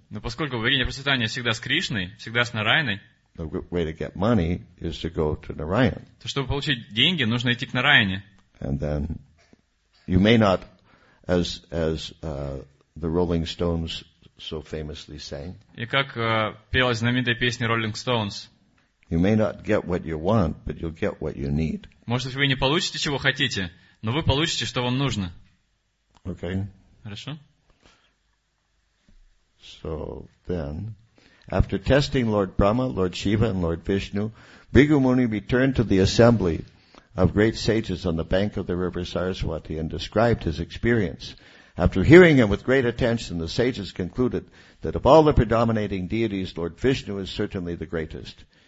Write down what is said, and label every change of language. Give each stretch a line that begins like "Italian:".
Russian: Но поскольку богиня просветания всегда с Кришной, всегда с Нарайаной.
English: The way to get money is to go to Narayan.
Russian: То чтобы получить деньги, нужно идти к Нарайане.
English: And then you may not, as the Rolling Stones so famously sang.
Russian: И как пела знаменитая песня Rolling Stones.
English: You may not get what you want, but you'll get what you need.
Russian: Может, вы не получите чего хотите, но вы получите, что вам нужно.
English: Okay.
Russian: Хорошо.
English: So then, after testing Lord Brahma, Lord Shiva, and Lord Vishnu, Bhrigu Muni returned to the assembly of great sages on the bank of the river Saraswati and described his experience. After hearing him with great attention, the sages concluded that of all the predominating deities, Lord Vishnu is certainly the greatest.